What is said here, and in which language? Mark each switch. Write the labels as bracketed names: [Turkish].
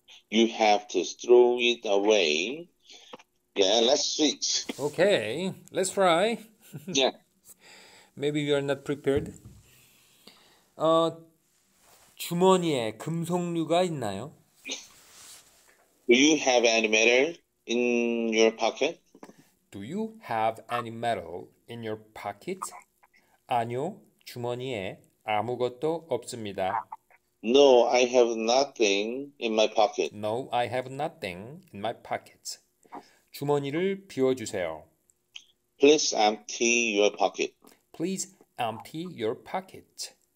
[English] You have to throw it away. Yeah, let's switch. Okay, let's try. Yeah. Maybe you are not prepared. [Korean] 주머니에 금속류가 있나요? [English] Do you have any metal in your pocket? Do you have any metal in your pocket? [Korean] 아니요, 주머니에 아무것도 없습니다. [English] No, I have nothing in my pocket. No, I have nothing in my pocket. [Korean] 주머니를 비워주세요. [English] Please empty your pocket. Please empty your pocket.